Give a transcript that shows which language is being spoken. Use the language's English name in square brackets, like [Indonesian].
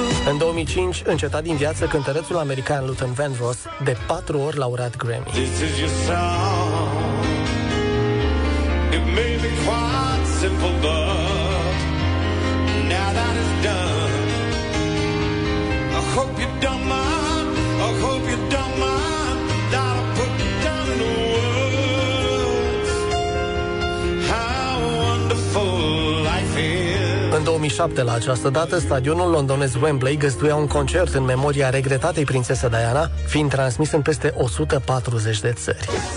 [Romanian] În 2005, înceta din viață cântărețul american Luther Vandross, de 4 ori laureat Grammy. [English] This is your song. It may be quite simple, but now that it's done, I hope you don't mind, I hope you don't mind that I put down in words how wonderful life is. [Romanian] În 2007, la această dată, stadionul londonez Wembley găzduia un concert în memoria regretatei prințese Diana, fiind transmis în peste 140 de țări.